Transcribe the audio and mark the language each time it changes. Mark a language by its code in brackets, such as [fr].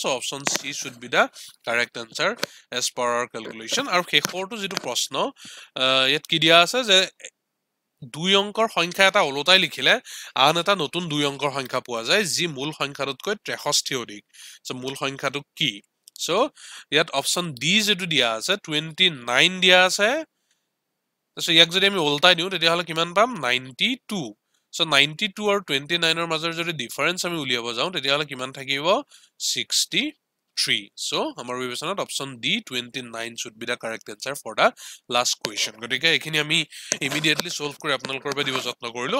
[en] So' option C should be the correct answer as per our calculation. [as] আৰু শেষৰটো যিটো প্ৰশ্ন, ইয়াত কি দিয়া আছে যে 2 অংকৰ সংখ্যা এটা ওলোটাই লিখিলে আন এটা নতুন 2 অংকৰ সংখ্যা পোৱা যায় যি মূল সংখ্যাটোতকৈ 63 অধিক। চ' মূল সংখ্যাটো কি? চ' ইয়াত অপশ্যন ডি যিটো দিয়া আছে 29 দিয়া আছে, তাৰপিছত ইয়াক যদি আমি ওলোটাই দিওঁ তেতিয়াহ'লে কিমান পাম? 92। চ' 92 আৰু 29ৰ মাজৰ যদি ডিফাৰেঞ্চ আমি উলিয়াব যাওঁ তেতিয়াহ'লে কিমান থাকিব? 63। [en] so' [as] আমাৰ বিবেচনাত [en] Option D 29 should be the correct answer for the last question. [as] গতিকে এইখিনি আমি ইমিডিয়েটলি চল্ভ কৰি আপোনালোকৰ বাবে দিব যত্ন কৰিলোঁ।